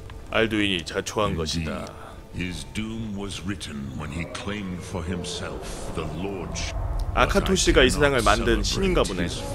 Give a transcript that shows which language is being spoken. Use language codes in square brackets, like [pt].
[ko] 알두인이 자초한 것이다. [en] His doom was written when he claimed for himself the lord. [ko] 아카토시가 이 세상을 만든 신인가 보네.